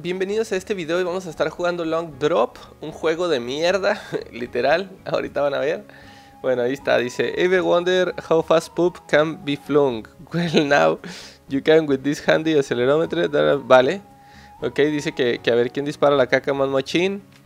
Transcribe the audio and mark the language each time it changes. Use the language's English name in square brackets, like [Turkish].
[Spanish] Bienvenidos a este video y vamos a estar jugando Long Drop, un juego de mierda, literal, ahorita van a ver. Bueno, ahí está, dice, [English] Ever wonder how fast poop can be flung? Well now, you can with this handy accelerometer, vale. [Spanish] Ok, dice que a ver quién dispara la caca más machín.